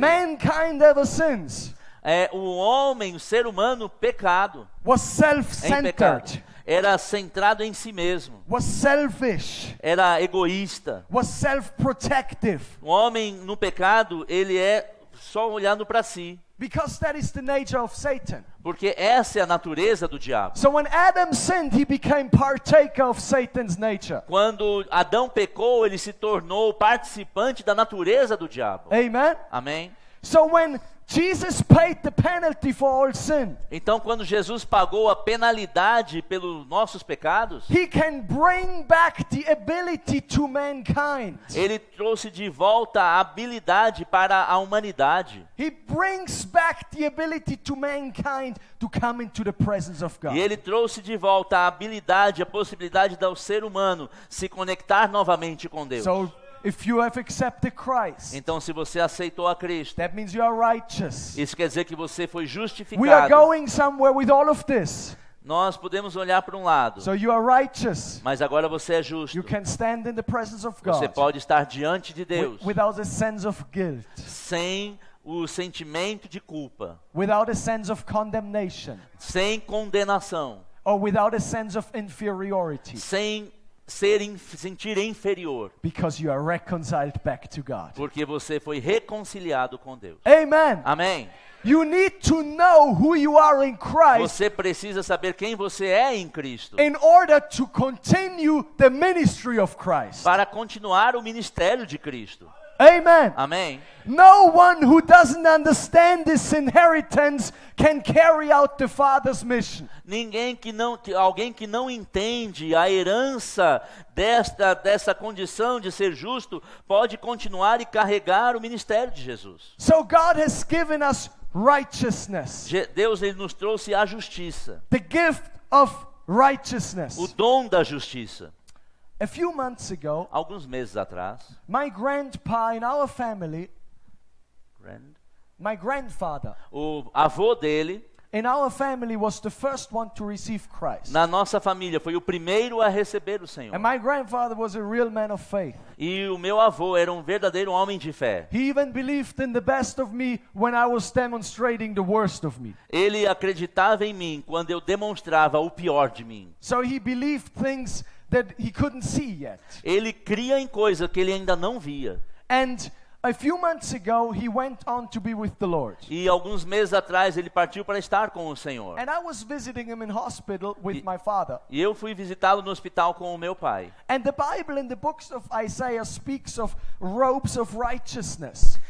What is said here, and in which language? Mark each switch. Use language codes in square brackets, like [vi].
[en] Mankind ever since. [pt] É, o homem, o ser humano, pecado. [en] Was self-centered. [pt] Era centrado em si mesmo. [en] Was selfish. [pt] Era egoísta. [en] Was self-protective. [pt] O homem no pecado, ele é só olhando para si. [en] Because that is the nature of Satan. [pt] Porque essa é a natureza do diabo. [en] So when Adam sinned, he became partaker of Satan's nature. [pt] Quando Adão pecou, ele se tornou participante da natureza do diabo. [en] Amen. [pt] Amém. [en] So when Jesus paid the penalty for all sin. [pt] Então, quando Jesus pagou a penalidade pelos nossos pecados, [en] he can bring back the ability to mankind. [pt] Ele trouxe de volta a habilidade para a humanidade. [en] He brings back the ability to mankind to come into the presence of God. [pt] E ele trouxe de volta a habilidade, a possibilidade do ser humano se conectar novamente com Deus. [en] So, if you have accepted Christ, [pt] então, se você aceitou a Cristo, [en] that means you are righteous. [pt] Isso quer dizer que você foi justificado. [en] We are going somewhere with all of this. [pt] Nós podemos olhar para um lado. [en] So you are righteous. [pt] Mas agora você é justo. [en] You can stand in the presence of God. [pt] Você pode estar diante de Deus. [en] Without a sense of guilt. [pt] Sem o sentimento de culpa. [en] Without a sense of condemnation. [pt] Sem condenação. [en] Or without a sense of inferiority. [pt] Sem sentir inferior. [en] Because you are reconciled back to God. [pt] Porque você foi reconciliado com Deus. [en] Amen. [pt] Amém. [en] You need to know who you are in Christ. [pt] Você precisa saber quem você é em Cristo. [en] In order to continue the ministry of Christ. [pt] Para continuar o ministério de Cristo. [en] Amen. [pt] Amém. [en] No one who doesn't understand this inheritance can carry out the Father's mission. [pt] Ninguém que não, alguém que não entende a herança dessa condição de ser justo pode continuar e carregar o ministério de Jesus. [en] So God has given us righteousness. [pt] Deus ele nos trouxe a justiça. [en] The gift of righteousness. [pt] O dom da justiça. [en] A few months ago, [pt] alguns meses atrás, [en] my grandpa in our family, my grandfather, [pt] o avô dele, [en] in our family was the first one to receive Christ. [pt] Na nossa família foi o primeiro a receber o Senhor. [en] And my grandfather was a real man of faith. [pt] E o meu avô era um verdadeiro homem de fé. [en] He even believed in the best of me when I was demonstrating the worst of me. [pt] Ele acreditava em mim quando eu demonstrava o pior de mim. [en] So he believed things that he couldn't see yet. [pt] Ele cria em coisa que ele ainda não via. [en] And a few months ago he went on to be with the Lord. [pt] E alguns meses atrás ele partiu para estar com o Senhor. [en] And I was visiting him in hospital with my father. [pt] E eu fui visitá-lo no hospital com o meu pai. [en] And the Bible in the books of Isaiah speaks of robes of righteousness.